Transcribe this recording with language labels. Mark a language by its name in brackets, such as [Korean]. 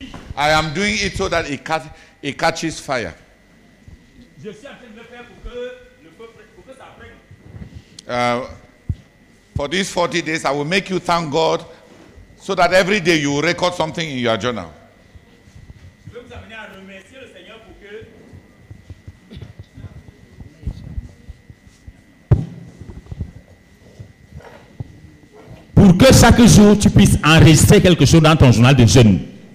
[English] I am doing it so that it catches fire. [French] Je suis en train de le faire pour que le peuple, pour que ça prenne. [English] For these 40 days, I will make you thank God so that every day you will record something in your journal. [French] Je vais vous amener à remercier le Seigneur pour que. Pour que chaque jour tu puisses enregistrer quelque chose dans ton journal de jeûne.